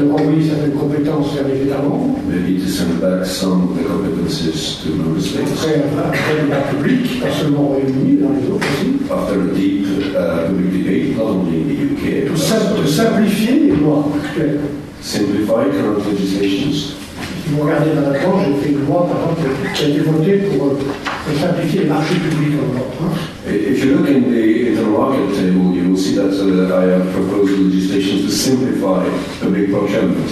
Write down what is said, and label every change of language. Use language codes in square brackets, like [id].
[fr] de renvoyer certaines compétences vers les États membres. [en] Maybe to send back some of the competences to member states. [fr] Après le débat public, pas seulement au Royaume-Uni, dans les autres aussi. [en] After a deep public debate, not only in the UK. [fr] Simplifier les lois. [en] Simplify current legislations. [fr] Si vous regardez dans la France, j'ai fait une loi, par exemple, qui a été votée pour simplifier les marchés publics en Europe. Hein. [en] If you look in the intermarket table, you will see that I have proposed legislation to simplify public procurement.